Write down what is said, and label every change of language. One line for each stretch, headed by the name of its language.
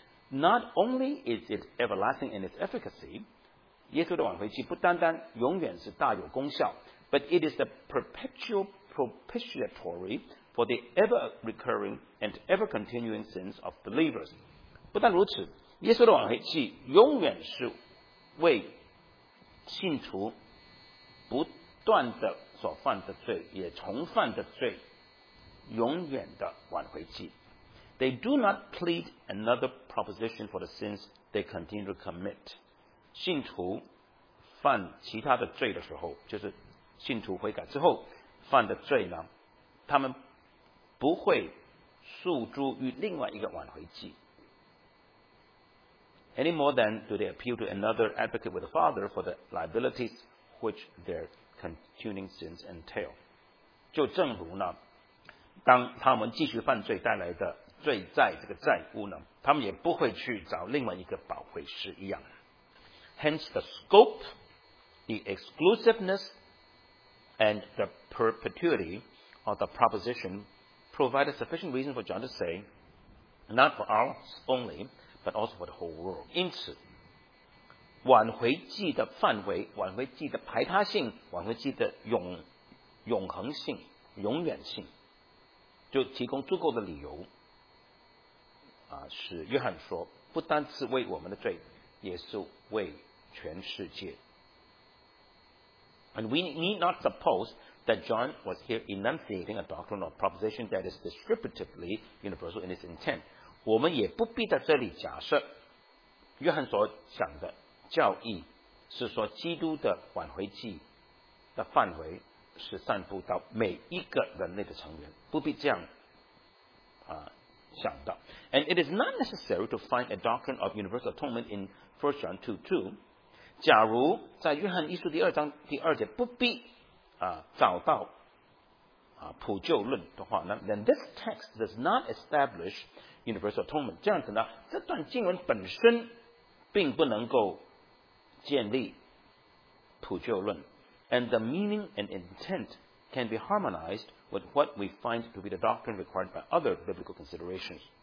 English: Not only is it everlasting in its efficacy，
Chinese: 耶稣的挽回祭不单单永远是大有功效，
English: but it is the perpetual propitiatoryfor the ever-recurring and ever-continuing sins of believers.
Chinese: 不但如此，耶稣的挽回祭永远是为信徒不断的所犯的罪，也重犯的罪，永远的挽回祭。
English: They do not plead another proposition for the sins they continue to commit.
Chinese: 信徒犯其他的罪的时候，就是信徒悔改之后犯的罪呢，他们不会诉诸于另外一个挽回祭。
English: Any more than do they appeal to another advocate with the Father for the liabilities which their continuing sins entail.
Chinese: 就正如呢，当他们继续犯罪带来的罪债这个债务呢，他们也不会去找另外一个保惠师一样。
English: Hence the scope, the exclusiveness and the perpetuity of the propositionprovide a sufficient reason for John to say, not for ours only, but also for the whole world.
Chinese: 因此，挽回祭的范围、挽回祭的排他性、挽回祭的永恒性、永远性，就提供足够的理由，使约翰说，不单是为我们的罪，也是为全世界。
English: And we need not suppose that John was here enunciating a doctrine or proposition that is distributively universal in its intent.
Chinese: 我们也不必在这里假设约翰所讲的教义是说基督的挽回祭的范围是散布到每一个人类的成员，不必这样想到。
English: And it is not necessary to find a doctrine of universal atonement in 1 John 2:2.
Chinese: 假如在约翰一书第二章第二节不必找到普救论的话呢
English: then this text does not establish universal atonement.
Chinese: 这样子呢这段经文本身并不能够建立普救论
English: and the meaning and intent can be harmonized with what we find to be the doctrine required by other biblical considerations.